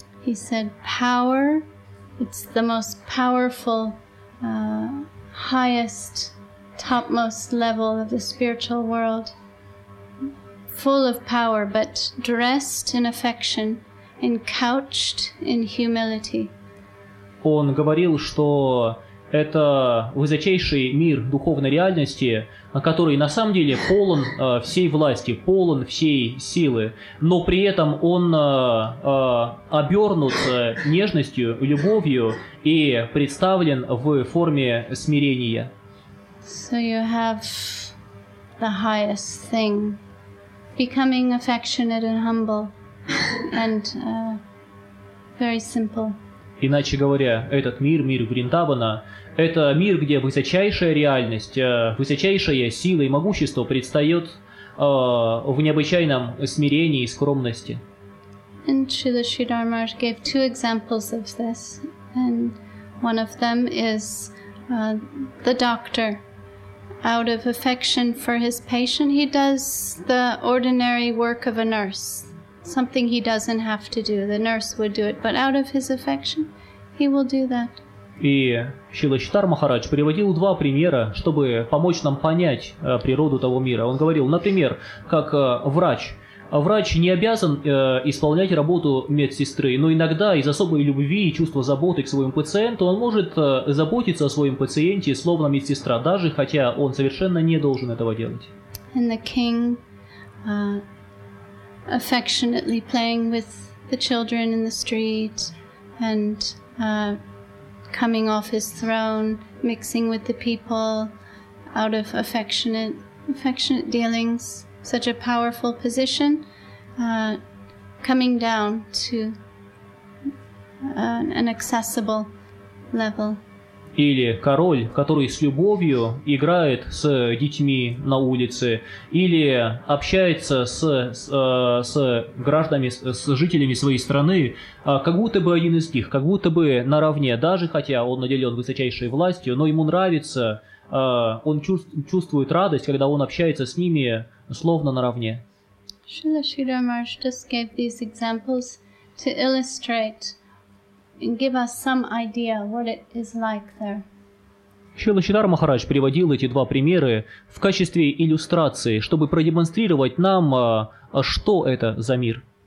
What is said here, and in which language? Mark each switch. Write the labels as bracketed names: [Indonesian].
[English] He said, power It's the most powerful, highest, topmost level of the spiritual world. Full of power, but dressed in affection and couched in humility. [Russian] Он говорил, что это высочайший мир духовной реальности, который на самом деле полон всей власти, полон всей силы, но при этом он обернут нежностью, любовью и представлен в форме смирения. [English] So you have the highest thing, becoming affectionate and humble, and very simple. [Russian] Иначе говоря, этот мир, мир Вриндавана, это мир, где высочайшая реальность, высочайшая сила и могущество предстает в необычайном смирении и скромности. [English] And Srila Sridhar Maharaj gave two examples of this, and one of them is the doctor. Out of affection for his patient, he does the ordinary work of a nurse. Something he doesn't have to do. The nurse would do it. But out of his affection, he will do that. [Russian] И Шрила Читар Махарадж приводил два примера, чтобы помочь нам понять природу того мира. Он говорил, например, как врач. Врач не обязан исполнять работу медсестры, но иногда из особой любви и чувства заботы к своему пациенту он может заботиться о своем пациенте, словно медсестра, даже хотя он совершенно не должен этого делать. [English] And the king, affectionately playing with the children in the street and coming off his throne, mixing with the people out of affectionate dealings. Such a powerful position, coming down to an accessible level. [Russian] Или король, который с любовью играет с детьми на улице, или общается с гражданами, с жителями своей страны, как будто бы один из них, как будто бы наравне, даже хотя он наделен высочайшей властью, но ему нравится, он чувствует радость, когда он общается с ними, словно наравне. [English] Srila Sridhar Maharaj just gave these examples to illustrate and give us some idea what it is like there. [Russian] Srila Sridhar Maharaj приводил эти два примера в качестве иллюстрации, чтобы продемонстрировать нам, что это за мир.